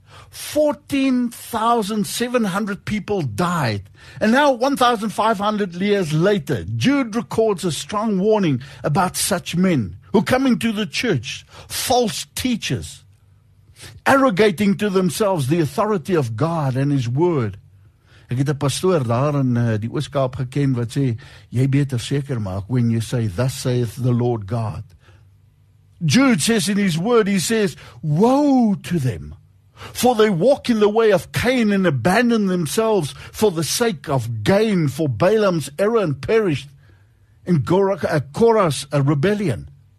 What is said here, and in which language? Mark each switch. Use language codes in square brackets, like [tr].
[en] 14,700 people died. And now 1,500 years later, Jude records a strong warning about such men who come into the church, false teachers, arrogating to themselves the authority of God and His Word. [af] Ek het 'n pastoor daar in die Ooskaap geken wat sê, jy beter seker maak [en] when you say, thus saith the Lord God. Jude says in his word, he says, woe to them, for they walk in the way of Cain and abandon themselves for the sake of gain, for Balaam's error and perished in Korah's rebellion.